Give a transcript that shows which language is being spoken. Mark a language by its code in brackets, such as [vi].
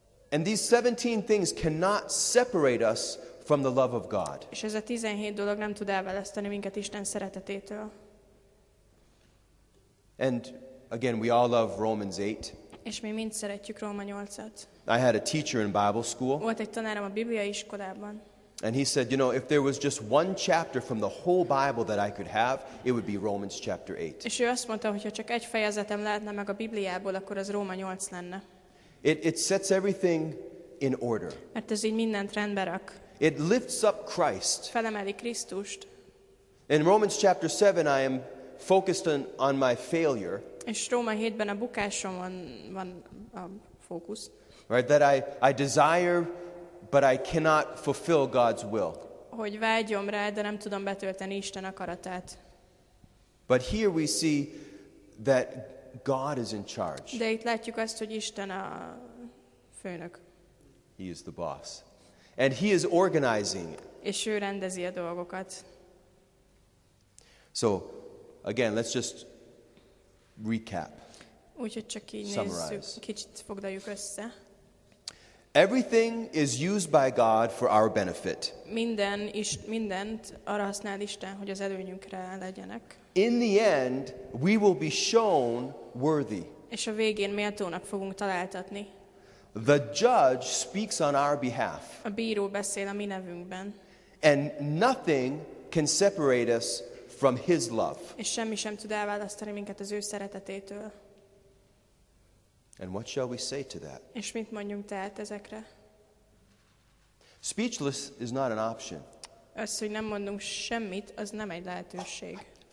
[en] And these 17 things cannot separate us from the love of God. [hu] És ez a 17 dolog nem tud elválasztani minket Isten szeretetétől. [en] And again, we all love Romans 8. [hu] És mi mind szeretjük Róma 8-at. [en] I had a teacher in Bible school. [hu] Volt egy tanárom a bibliai iskolában. [en] And he said, you know, if there was just one chapter from the whole Bible that I could have, it would be Romans chapter 8. [hu] És ő azt mondta, hogy ha csak egy fejezetem lehetne meg a Bibliából, akkor az Róma 8 lenne. [en] It sets everything in order. [hu] Mert ez így mindent rendbe rak. [en] It lifts up Christ. [hu] Felemeli Krisztust. [en] In Romans chapter 7, I am focused on my failure. [hu] És Róma 7-ben a bukásom van a fókusz. [en] Right, that I desire, but I cannot fulfill God's will. [hu] Hogy vágyom rá, de nem tudom betölteni Isten akaratát. [en] But here we see that God is in charge. [hu] De itt látjuk azt, hogy Isten a főnök. [en] He is the boss. And he is organizing. [hu] És ő rendezi a dolgokat. [en] So, again, let's just recap. [hu] Úgyhogy csak így nézzük, kicsit foglaljuk össze. [en] Everything is used by God for our benefit. [hu] Mindent arra használ Isten, hogy az előnyünkre legyenek. [en] In the end, we will be shown worthy. [hu] És a végén méltónak fogunk találtatni. [en] The judge speaks on our behalf. [hu] A bíró beszél a mi nevünkben. [en] And nothing can separate us from his love. [hu] És semmi sem tud elválasztani minket az ő szeretetétől. [en] And what shall we say to that? [hu] És mit mondjunk tehát ezekre? [en] Speechless is not an option. [hu] Az, hogy nem mondunk semmit, az nem egy lehetőség.